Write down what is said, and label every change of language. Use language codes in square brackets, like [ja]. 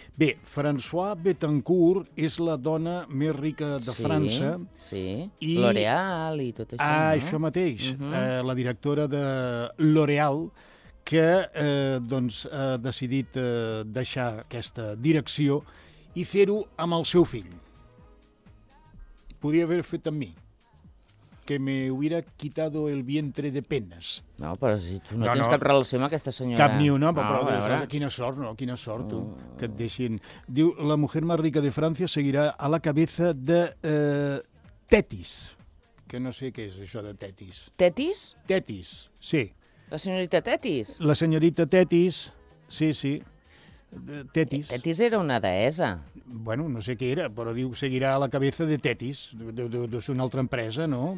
[ca] Bé, François Bettencourt és la dona més rica de França. Sí, i L'Oréal i tot això, no? Això mateix, la directora de L'Oréal, que doncs, ha decidit deixar aquesta direcció i fer-ho amb el seu fill. Podia haver fet amb mi. [es] Que me hubiera quitado el vientre de penes. [ca] No, però si tu no tens cap relació amb aquesta senyora. Cap ni una, però dius, quina sort, no? Quina sort, tu, que et deixin. [es] Diu, la mujer más rica de Francia seguirá a la cabeza de Tetis. [ca] Que no sé què és això de Tetis. Tetis? Tetis, sí. La senyorita Tetis? La senyorita Tetis, sí. Tetis. Tetis era una deessa. Bueno, no sé què era, però diu seguirà [es] a la cabeza de Tetis. [ca] De ser una altra empresa, no?